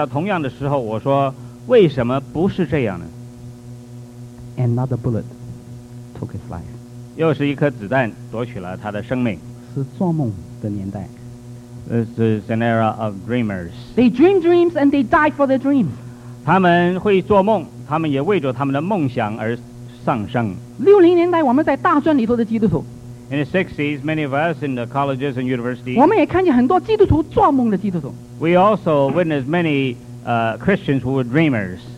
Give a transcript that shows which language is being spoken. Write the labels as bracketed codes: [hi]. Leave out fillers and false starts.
[zh] 他说有些人他看一件事他就说为什么会这样但是当我看到同样的时候我说为什么不是这样呢 [en] Another bullet took his life [zh] 又是一颗子弹夺取了他的生命是做梦的年代 [en] This is an era of dreamers They dream dreams and they die for their dreams [zh] 他们会做梦 他们也为着他们的梦想而丧生 60年代我们在大专里头的基督徒 [en] In the 60s, many of us in the colleges and universities [zh] 我们也看见很多基督徒做梦的基督徒 [en] We also witnessed many Christians who were dreamers